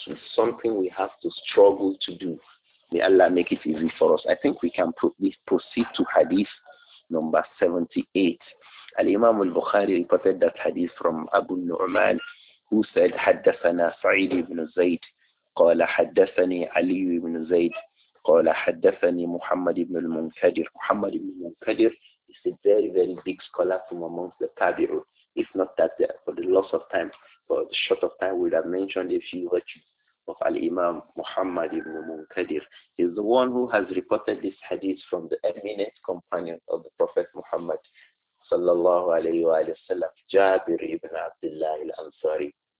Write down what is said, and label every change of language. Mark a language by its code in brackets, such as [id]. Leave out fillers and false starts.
[en] It's something we have to struggle to do. May Allah make it easy for us. I think we can proceed to hadith number 78. Al-Imam al-Bukhari reported that hadith from Abu Nu'man, who said, [ar] حَدَّثَنَا [en] سَعِيدِ ibn Zayd. [ar] قال حدثني علي بن زيد قال حدثني محمد بن المنكدر. [en] محمد بن المنكدر is a very, very big scholar from amongst the tabi'un. If not that, for the loss of time, for the short of time, we would have mentioned a few virtues of Al-Imam Muhammad ibn al-Munkadir. He's the one who has reported this hadith from the eminent companion of the Prophet Muhammad sallallahu alayhi wa sallam, Jabir ibn Abdullah al-Ansari.